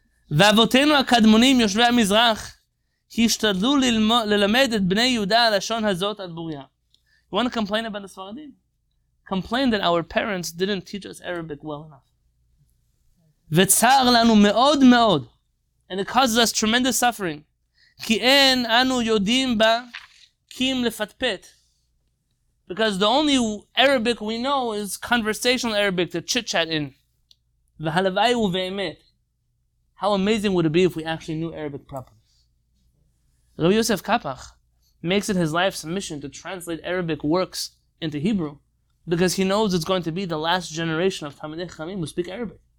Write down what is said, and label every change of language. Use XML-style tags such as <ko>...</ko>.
<he>ואבותינו הקדמונים יושבי המזרח השתדלו ללמד את בני יהודה הלשון הזאת על בוריה.</he> <en>You want to complain about the Sfaradim? Complain that our parents didn't teach us Arabic well enough.</en> <he>וצער לנו מאוד מאוד.</he> <en>And it causes us tremendous suffering.</en> <he>כי אין אנו יודעים בה קים לפטפט.</he> <en>Because the only Arabic we know is conversational Arabic, the chit-chat in.</en> <he>והלוואי ובאמת.</he> <en>How amazing would it be if we actually knew Arabic properly? Rabbi Yosef Kapach makes it his life's mission to translate Arabic works into Hebrew because he knows it's going to be the last generation of Talmidei Chachamim who speak Arabic.</en>